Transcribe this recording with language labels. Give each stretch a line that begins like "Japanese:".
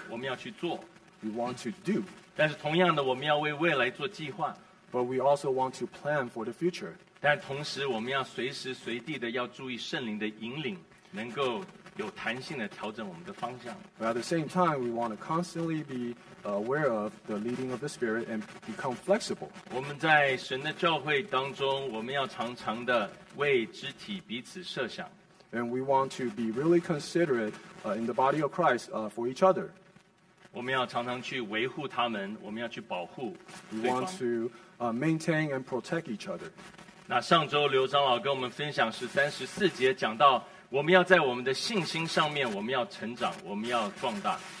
Chinese: 我们要去做。
English: We want to do.
Chinese: 但是同样的，我们要为未来做计划。
English: But we also want to plan for the future.
Chinese: 但同时，我们要随时随地的要注意圣灵的引领，能够有弹性的调整我们的方向。
English: But at the same time, we want to constantly be aware of the leading of the Spirit and become flexible.
Chinese: 我们在神的教会当中，我们要常常的为肢体彼此设想。
English: And we want to be really considerate in the body of Christ for each other.
Chinese: 我们要常常去维护他们，我们要去保护对方。
English: We want to maintain and protect each other.
Chinese: 那上周刘长老跟我们分享是三十四节讲到我们要在我们的信心上面，我们要成长，我们要壮大。